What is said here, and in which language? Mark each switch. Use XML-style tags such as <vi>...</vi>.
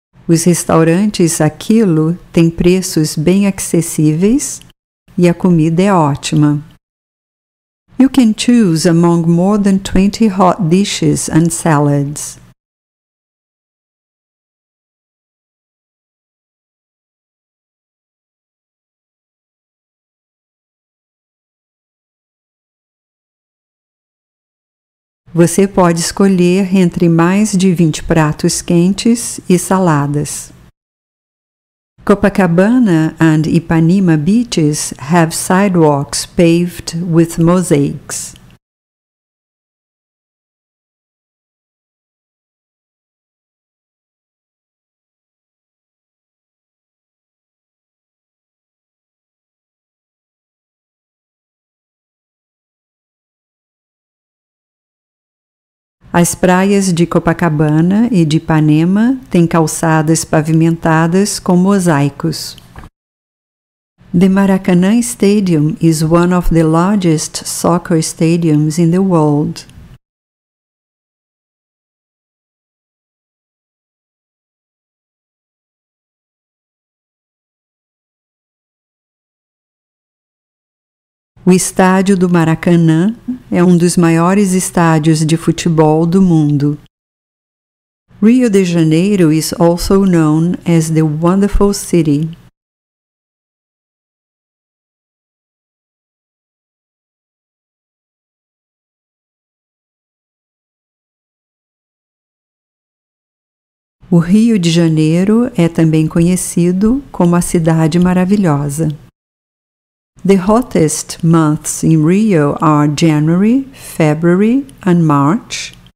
<pt>Os restaurantes a quilo têm preços bem acessíveis e a comida é ótima.</pt> <en>You can choose among more than 20 hot dishes and salads.</en> <pt>Você pode escolher entre mais de 20 pratos quentes e saladas.</pt> <en>Copacabana and Ipanema beaches have sidewalks paved with mosaics.</en> <pt>As praias de Copacabana e de Ipanema têm calçadas pavimentadas com mosaicos.</pt> <en>The Maracanã Stadium is one of the largest soccer stadiums in the world.</en> <pt>O estádio do Maracanã é um dos maiores estádios de futebol do mundo.</pt> <en>Rio de Janeiro is also known as the wonderful city.</en> <pt>O Rio de Janeiro é também conhecido como a Cidade Maravilhosa.</pt> <en>The hottest months in Rio are January, February, and March.</en>